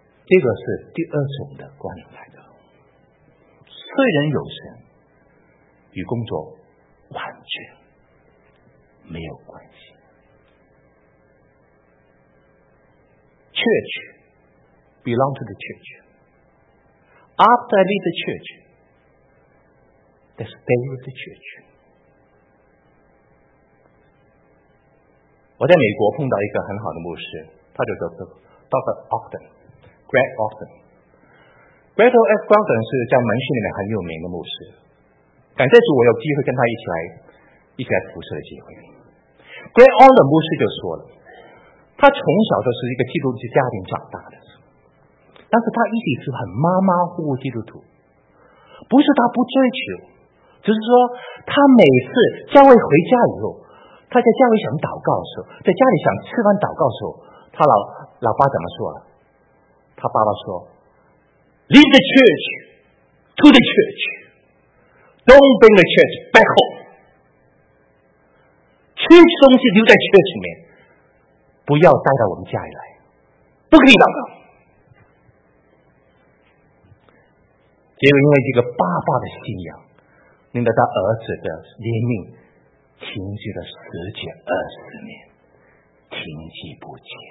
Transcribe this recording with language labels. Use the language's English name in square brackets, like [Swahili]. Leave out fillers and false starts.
[Chinese] 这个是第二种的观念来的。虽然有神，与工作完全没有关系，确确。 [English] Belong to the church. After I leave the church, they stay with the church. [Chinese] 我在美国碰到一个很好的牧师，他就叫做 Dr. [English] Ogden, Greg Ogden. [Chinese] Greg Ogden 是在门训里面很有名的牧师。感谢主，我有机会跟他一起来服侍的机会。 Greg Ogden 牧师就说了，他从小就是一个基督徒家庭长大的。但是他一直是很马马虎虎基督徒，不是他不追求，只是说他每次教会回家以后，他在教会想祷告的时候，在家里想吃饭祷告的时候，他老爸怎么说啊？他爸爸说 [English] ：“Leave the church to the church, don't bring the church back home. [Chinese] Church 东西留在 church 里面，不要带到我们家里来，不可以祷告。” 结果因为这个爸爸的信仰，令到他儿子的怜悯停滞了十几二十年，停滞不前。